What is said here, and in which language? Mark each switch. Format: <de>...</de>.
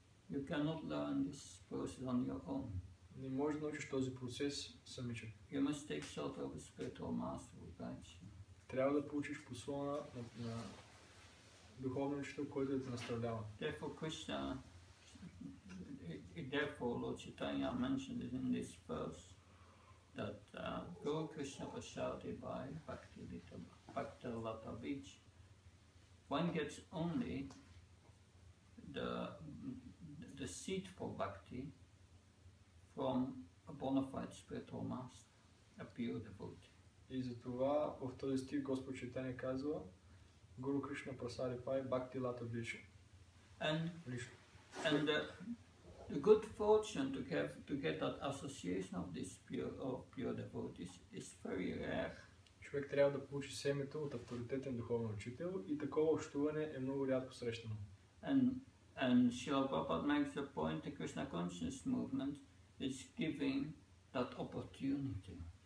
<en>You cannot learn this process on your own.</en> <bg>Не можеш да научиш този процес самичък.</bg> <en>You must take shelter of a spiritual master who guides you.</en> <bg>Трябва да получиш послона на духовно учител, който да те наставлява.</bg> <en>Therefore Krishna, therefore Lord Chaitanya mentioned it in this verse that Guru Krishna Prasadi by Bhakti Lata Beach. One gets only the seat for bhakti from a bona fide spiritual master, a pure devotee.</en> <bg>И затова в този стих Господ Чайтанья казва Гуру Кришна Прасади Пай Бхакти Лата Бича.</bg> <en>And the good fortune to get that association of this pure devotees is very rare.</en> <bg>Човек трябва да получи семето от авторитетен духовен учител и такова общуване е много рядко срещано.</bg> <en>And Srila Prabhupada makes a point, the Krishna Consciousness Movement is giving that opportunity.</en>